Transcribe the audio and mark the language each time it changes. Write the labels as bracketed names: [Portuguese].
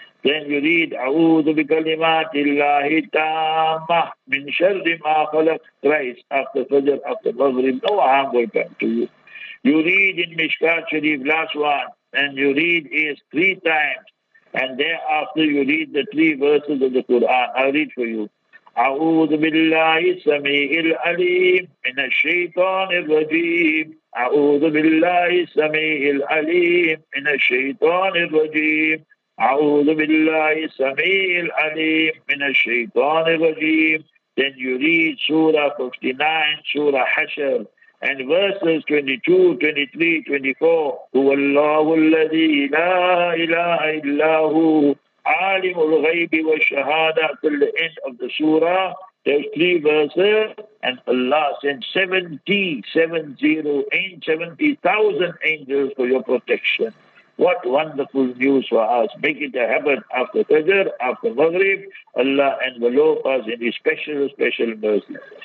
[English] Then you read, [Arabic] A'udhu bi kalimati Allahi tamah min sharri ma khalaq, [English] thrice after Fajr, after Maghrib, no harm will come to you. You read in Mishkat Sharif, last one, and you read is three times, and thereafter you read the three verses of the Quran. I'll read for you. [Arabic] أعوذ بالله السميع العليم من الشيطان الرجيم أعوذ بالله السميع العليم من الشيطان الرجيم أعوذ بالله السميع العليم من الشيطان الرجيم. [English] Then you read Surah 59, Surah Hashr, and verses 22, 23, 24. [Arabic] هو الله الذي لا إله إلا هو عالم الغيب والشهادة. [English] Till the end of the surah, there's three verses, and Allah sent 70,000 angels for your protection. What wonderful news for us. Make it a habit after Fajr, after Maghrib, Allah envelope us in His special, special mercy.